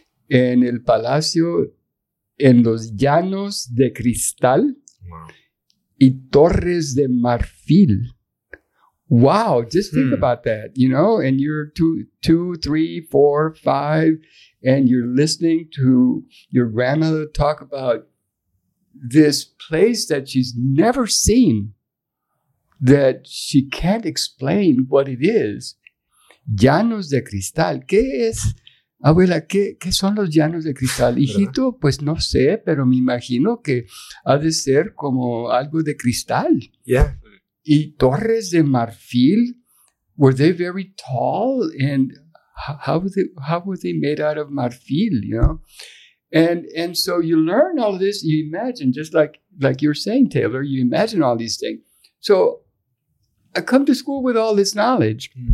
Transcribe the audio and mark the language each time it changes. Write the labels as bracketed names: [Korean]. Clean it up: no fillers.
[Spanish] En el palacio, en los llanos de cristal. Wow. Y torres de marfil. [English] Wow, just think about that, you know, and you're two, three, four, five, and you're listening to your grandmother talk about this place that she's never seen, that she can't explain what it is. [Spanish] Llanos de cristal, ¿qué es? Abuela, ¿qué son los llanos de cristal? Hijito, pues no sé, pero me imagino que ha de ser como algo de cristal. [English] Yeah. [Spanish] Y torres de marfil, [English] were they very tall? And how were they made out of marfil, you know? And so you learn all of this, you imagine, just like you're saying, Taylor, you imagine all these things. So I come to school with all this knowledge.